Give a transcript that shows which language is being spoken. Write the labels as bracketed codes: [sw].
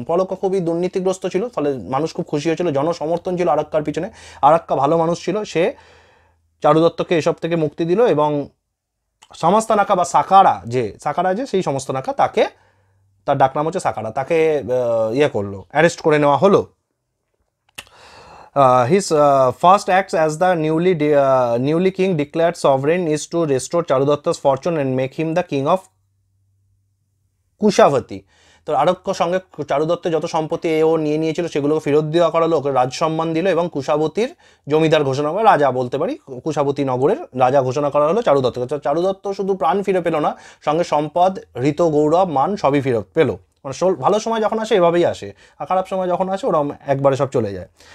[bn] পলাক্কা খুবই দুর্নীতিগ্রস্ত ছিল, ফলে মানুষ খুব খুশি হয়েছিল, জনসমর্থন ছিল আরাক্কার পিছনে, আরাক্কা ভালো মানুষ ছিল, সে চারুদত্তকে এসব থেকে মুক্তি দিল এবং সমস্ত নাকা বা সাকারা যে সেই সমস্ত নাকা তাকে, তার ডাকনাম হচ্ছে সাকারা, তাকে করলো অ্যারেস্ট করে নেওয়া হলো। [en] His first acts as the newly king declared sovereign is to restore Charudatta's fortune and make him the king of Kushavati. [bn] তো আরক্কর সঙ্গে চারুদত্ত যত সম্পত্তি এও নিয়ে নিয়েছিল সেগুলোকে ফেরত দেওয়া করালো, ওকে রাজসম্মান দিল এবং কুশাবতীর জমিদার ঘোষণা করা রাজা বলতে পারি, কুশাবতী নগরের রাজা ঘোষণা করা হলো চারুদত্তকে। চারুদত্ত শুধু প্রাণ ফিরে পেলো না, সঙ্গে সম্পদ হৃত গৌরব মান সবই ফিরত পেলো, মানে ভালো সময় যখন আসে এভাবেই আসে, আর খারাপ সময় যখন আসে ওরকম একবারে সব চলে যায়।